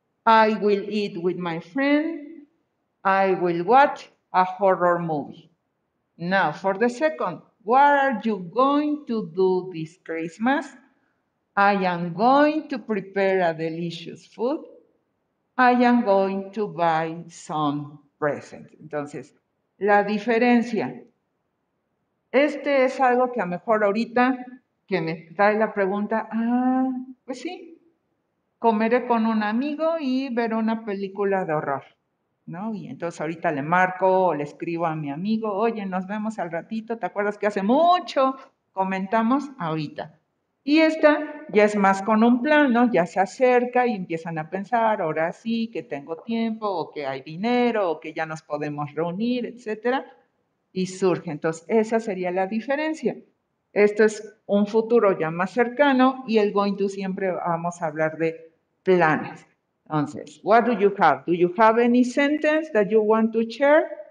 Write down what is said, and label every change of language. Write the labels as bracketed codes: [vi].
[en] I will eat with my friend. I will watch a horror movie. Now, for the second, what are you going to do this Christmas? I am going to prepare a delicious food. I am going to buy some presents. [es] Entonces, la diferencia. Este es algo que a lo mejor ahorita que me trae la pregunta, ah, pues sí, comeré con un amigo y ver una película de horror, ¿no? Y entonces ahorita le marco o le escribo a mi amigo, oye, nos vemos al ratito, ¿te acuerdas que hace mucho comentamos ahorita? Y esta ya es más con un plan, ¿no? Ya se acerca y empiezan a pensar, ahora sí, que tengo tiempo, o que hay dinero, o que ya nos podemos reunir, etcétera. Y surge. Entonces, esa sería la diferencia. Esto es un futuro ya más cercano y el going to siempre vamos a hablar de planes. Entonces, [en] what do you have? Do you have any sentence that you want to share?